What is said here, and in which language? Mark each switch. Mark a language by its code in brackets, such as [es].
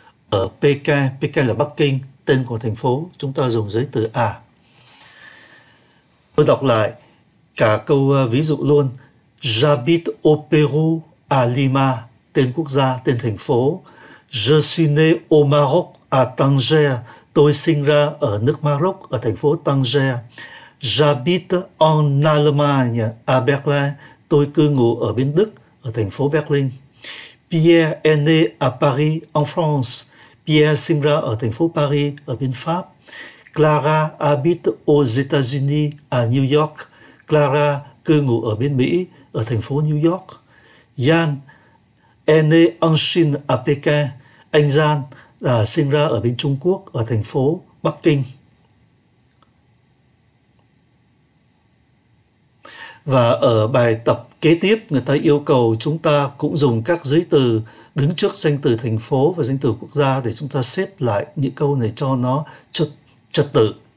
[vi] Ở Pekin, Pekin là Bắc Kinh, tên của thành phố, chúng ta dùng giới từ a. Tôi đọc lại cả câu ví dụ luôn. [fr] J'habite au Pérou, à Lima. [vi] Tên quốc gia, tên thành phố. [fr] Je suis né au Maroc, à Tangier. [vi] Tôi sinh ra ở nước Maroc, ở thành phố Tangier. [fr] J'habite en Allemagne, à Berlin. [vi] Tôi cư ngụ ở bên Đức, ở thành phố Berlin. [fr] Pierre est né à Paris, en France. [vi] Pierre sinh ra ở thành phố Paris, ở bên Pháp. [fr] Clara habite aux États-Unis, à New York. [vi] Clara cư ngụ ở bên Mỹ, ở thành phố New York. [fr] Yann est né en Chine à Pékin. [vi] Anh Gian là sinh ra ở bên Trung Quốc, ở thành phố Bắc Kinh. Và ở bài tập kế tiếp, người ta yêu cầu chúng ta cũng dùng các giới từ đứng trước danh từ thành phố và danh từ quốc gia để chúng ta xếp lại những câu này cho nó trật tự.